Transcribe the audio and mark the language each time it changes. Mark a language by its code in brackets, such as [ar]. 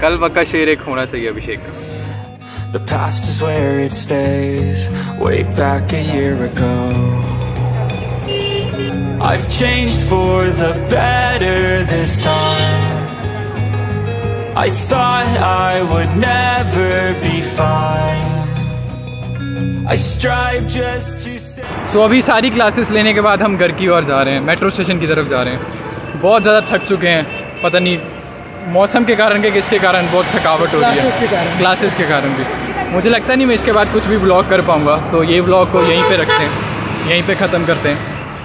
[hi] कल पक्का शेर एक होना चाहिए अभिषेक का। [en] The past is where it stays, way back a year ago. I've changed for the better this time. I thought I would never be fine. I strive just to say. [hi] तो अभी सारी क्लासेस लेने के बाद हम घर की ओर जा रहे हैं, मेट्रो स्टेशन की तरफ जा रहे हैं। बहुत ज़्यादा थक चुके हैं, पता नहीं मौसम के कारण के किसके कारण बहुत थकावट हो रही है, क्लासेस के कारण भी। मुझे लगता नहीं मैं इसके बाद कुछ भी ब्लॉग कर पाऊंगा, तो ये ब्लॉग को यहीं पे रखते हैं, यहीं पे ख़त्म करते हैं।